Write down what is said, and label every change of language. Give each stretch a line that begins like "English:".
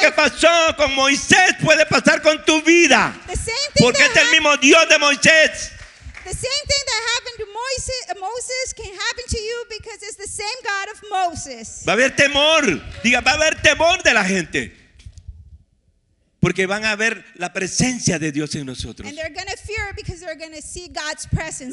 Spanish: Que pasó con Moisés puede pasar con tu vida.
English: The same thing.
Spanish: Porque es el mismo Dios de Moisés.
English: The same thing that happened to Moses can happen to you because it's the same God of Moses.
Spanish: Va a haber temor. Diga, va a haber temor de la gente. Porque van a ver la presencia de Dios en nosotros.
English: And they're going to fear because they're going to see God's presence.